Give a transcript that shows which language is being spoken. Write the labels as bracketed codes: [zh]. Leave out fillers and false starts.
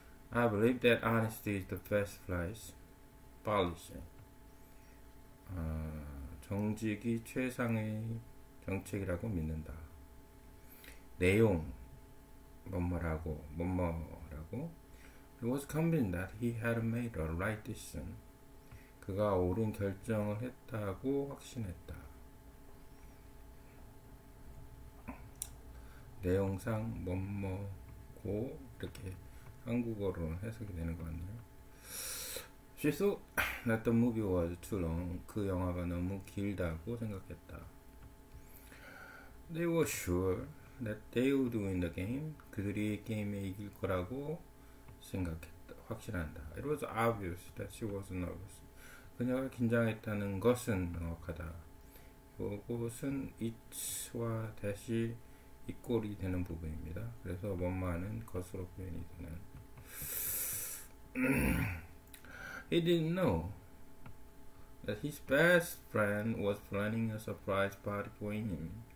[en] I believe that honesty is the best policy. [ko] 정직이 최상의 정책이라고 믿는다. 내용 뭐뭐라고 뭐뭐라고. [en] He was convinced that he had made the right decision. [ko] 그가 옳은 결정을 했다고 확신했다. 내용상 뭐뭐고 이렇게 한국어로는 해석이 되는 것 같네요. [en] She thought that the movie was too long. [ko] 그 영화가 너무 길다고 생각했다. [en] They were sure that they would win the game. [ko] 그들이 게임에 이길 거라고 생각했다. 확신한다. [en] It was obvious that she was nervous. [ko] 그녀가 긴장했다는 것은 명확하다. 그것은 it와 that이 equal이 되는 부분입니다. 그래서 원만한 것으로 표현이 되는. [en] He didn't know that his best friend was planning a surprise party for him.